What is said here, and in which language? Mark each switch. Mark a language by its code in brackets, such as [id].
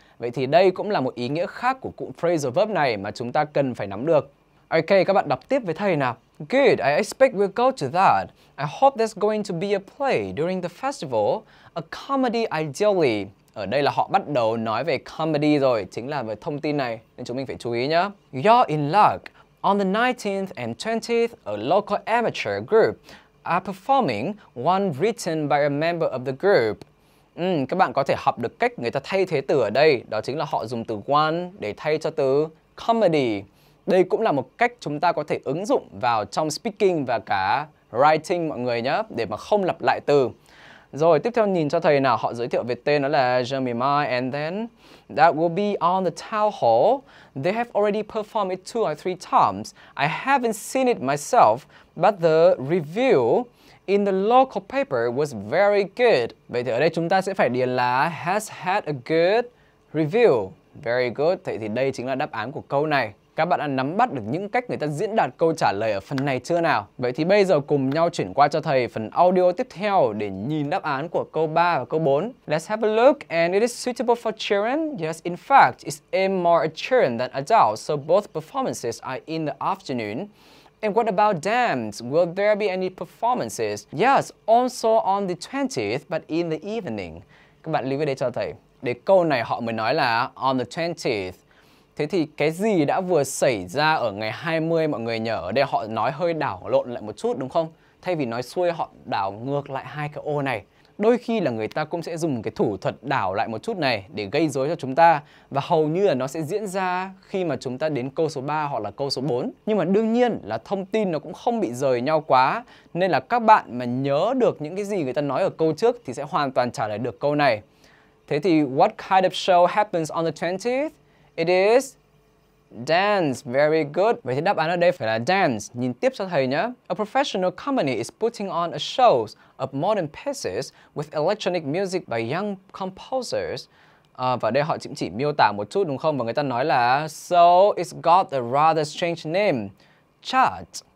[vi] Vậy thì đây cũng là một ý nghĩa khác của cụm phrasal verb này mà chúng ta cần phải nắm được. Ok, các bạn đọc tiếp với thầy nào. [en] Good, I expect we'll go to that. I hope there's going to be a play during the festival, a comedy ideally. [vi] Ở đây là họ bắt đầu nói về comedy rồi, chính là về thông tin này, nên chúng mình phải chú ý nhá. [en] You're in luck. On the 19th and 20th, a local amateur group are performing one written by a member of the group. [vi] Các bạn có thể học được cách người ta thay thế từ ở đây, đó chính là họ dùng từ one để thay cho từ comedy. Đây cũng là một cách chúng ta có thể ứng dụng vào trong speaking và cả writing mọi người nhá, để mà không lặp lại từ. Rồi, tiếp theo nhìn cho thầy nào. Họ giới thiệu về tên đó là Jeremiah, [en] and then that will be on the town hall. They have already performed it 2 or 3 times. I haven't seen it myself, but the review in the local paper was very good. [vi] Vậy thì ở đây chúng ta sẽ phải điền là [en] has had a good review. Very good. [vi] Vậy thì đây chính là đáp án của câu này. Các bạn đã nắm bắt được những cách người ta diễn đạt câu trả lời ở phần này chưa nào? Vậy thì bây giờ cùng nhau chuyển qua cho thầy phần audio tiếp theo để nhìn đáp án của câu 3 và câu 4. [en] Let's have a look, and it is suitable for children. Yes, in fact, it's aimed more at children than adults, so both performances are in the afternoon. And what about dance? Will there be any performances? Yes, also on the 20th, but in the evening. [vi] Các bạn lưu ý đây cho thầy. Để câu này họ mới nói là [en] on the 20th. [vi] Thế thì cái gì đã vừa xảy ra ở ngày 20 mọi người nhở? Ở đây họ nói hơi đảo lộn lại một chút đúng không? Thay vì nói xuôi họ đảo ngược lại hai cái ô này. Đôi khi là người ta cũng sẽ dùng cái thủ thuật đảo lại một chút này để gây rối cho chúng ta. Và hầu như là nó sẽ diễn ra khi mà chúng ta đến câu số 3 hoặc là câu số 4. Nhưng mà đương nhiên là thông tin nó cũng không bị rời nhau quá. Nên là các bạn mà nhớ được những cái gì người ta nói ở câu trước thì sẽ hoàn toàn trả lời được câu này. Thế thì [en] what kind of show happens on the 20th? It is dance. Very good. [vi] Vậy thì đáp án ở đây phải là dance. Nhìn tiếp cho thầy nhé. [en] A professional company is putting on a show of modern pieces with electronic music by young composers. [vi] Và đây họ cũng chỉ miêu tả một chút đúng không? Và người ta nói là [en] so it's got a rather strange name. Chart.